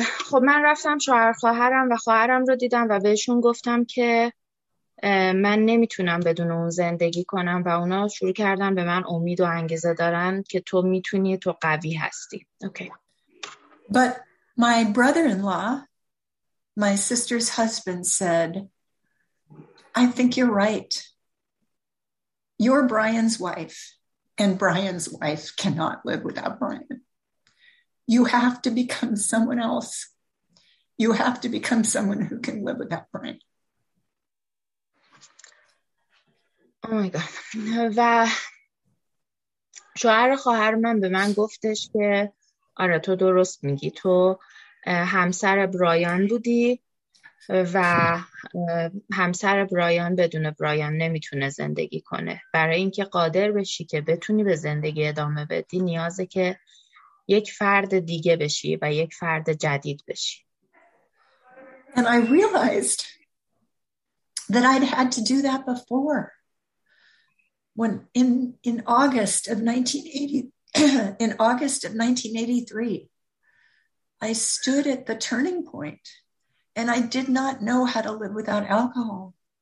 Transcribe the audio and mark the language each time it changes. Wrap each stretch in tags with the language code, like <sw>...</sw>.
<fa>خب من رفتم شوهر خواهرم و خواهرم رو دیدم و بهشون گفتم که من نمیتونم بدون اون زندگی کنم و اونا شروع کردن به من امید و انگیزه دارن که تو میتونی، تو قوی هستی.</fa> <en>Okay. But my brother-in-law, my sister's husband said, I think you're right. You're Brian's wife And Brian's wife cannot live without Brian. You have to become someone else. You have to become someone who can live without Brian. Oh my God.</en> <fa>و شوهر خواهر من به من گفتش که آره تو درست میگی، تو همسر برایان بودی و همسر برایان بدون برایان نمیتونه زندگی کنه. برای اینکه قادر بشی که بتونی به زندگی ادامه بدی، نیازه که یک فرد دیگه بشی و یک فرد جدید بشی.</fa> <en>And I realized that I'd had to do that before. When in August of 1980, in August of 1983, I stood at the turning point and I did not know how to live without alcohol.</en>